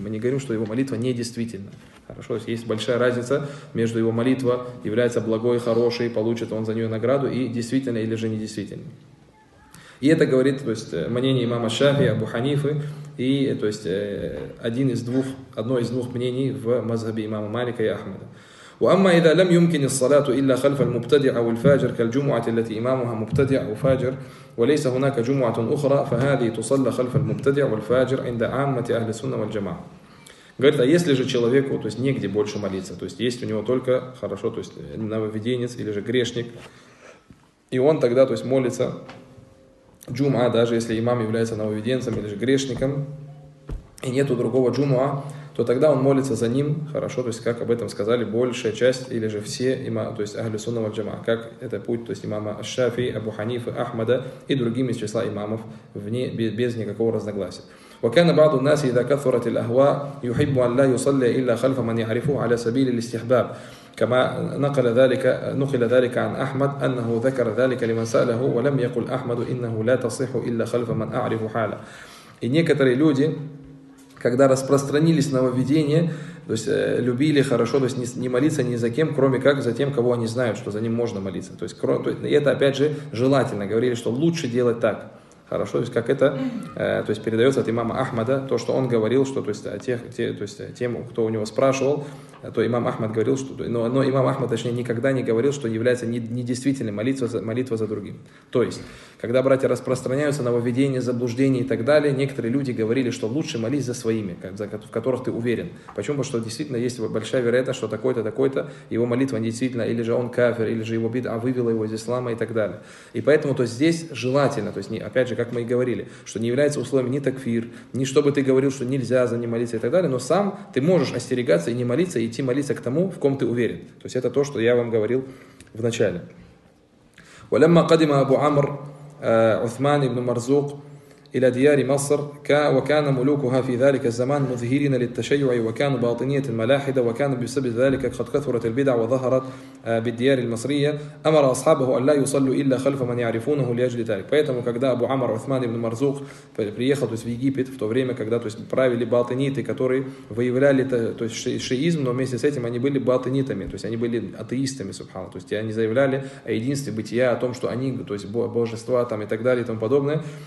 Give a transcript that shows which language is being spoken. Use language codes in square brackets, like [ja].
[ru] Мы не говорим, что его молитва недействительна. Хорошо, то есть, есть большая разница между его молитва является благой, хорошей, получит он за нее награду, и действительно или же недействительно. И это говорит, то есть, мнение имама Шафи, Абу Ханифы, и, то есть, один из двух, одно из двух мнений в мазхабе имама Малика и Ахмада. [ar] وأما إذا لم يمكن الصلاة إلا خلف المبتدع أو الفاجر كالجمعة التي إمامها مبتدع أو فاجر وليس هناك جمعة أخرى فهذه تصلى خلف المبتدع والفاجر عند عامة أهل السنة والجماعة. [ru] Говорит, а если же человеку, то есть негде больше молиться, то есть есть у него только хорошо, то есть нововведенец или же грешник, и он тогда, то есть молится джума, даже если имам является нововведенцем или же грешником, и нету другого джума, то тогда он молится за ним, хорошо, то есть, как об этом сказали, большая часть или же все има, то есть, Ахли Сунна валь Джамаа, как это путь, то есть, имама Аш-Шафи, Абу Ханифы, Ахмада и другими из числа имамов вне, без никакого разногласия. [ar] وكان بعض الناس إذا كثرت الأهواء يحب أن لا يصلي إلا خلف من يعرفه على سبيل الاستحباب كما نقل ذلك نقل ذلك عن أحمد أنه ذكر ذلك لمن سأله ولم يقل أحمد إنه لا تصح إلا خلف من أعرف حاله. [ru] И некоторые люди, когда распространились нововведения, то есть любили хорошо, то есть не молиться ни за кем, кроме как за тем, кого они знают, что за ним можно молиться. То есть, и это опять же желательно. Говорили, что лучше делать так. Хорошо, то есть как это, то есть передается от имама Ахмада, то, что он говорил, что то есть, тем, кто у него спрашивал, то имам Ахмад говорил, что, но имам Ахмад, точнее, никогда не говорил, что является недействительной молитва за другим. То есть, когда братья распространяются нововведения, заблуждения и так далее, некоторые люди говорили, что лучше молись за своими, в которых ты уверен. Почему? Потому что действительно есть большая вероятность, что такой-то, его молитва действительно, или же он кафир, или же его бид'а вывела его из ислама и так далее. И поэтому то здесь желательно, то есть не, опять же, как мы и говорили, что не является условием ни такфир, ни чтобы ты говорил, что нельзя за ним молиться и так далее, но сам ты можешь остерегаться и не молиться, и идти молиться к тому, в ком ты уверен. То есть это то, что я вам говорил в начале. [ar] ولما قدم أبو عمرو عثمان بن مرزوق إلى ديار مصر وكان ملوكها في ذلك الزمان مظهرين للتشيع وكانوا باطنية الملاحدة وكان بسبب ذلك قد كثرت البدع وظهرت بالديار المصرية. أمر أصحابه أن لا يصلوا إلا خلف من يعرفونه لأجل ذلك. [ru] поэтому когда أبو عمر عثمان بن مرزوق приехал в Египет в то время когда то есть правили батыниты которые выявляли то есть шиизм но вместе с этим они были батынитами то есть они были атеистами субхана то есть они заявляли о единстве бытия о том что они то есть божества там и так далее и тому подобное.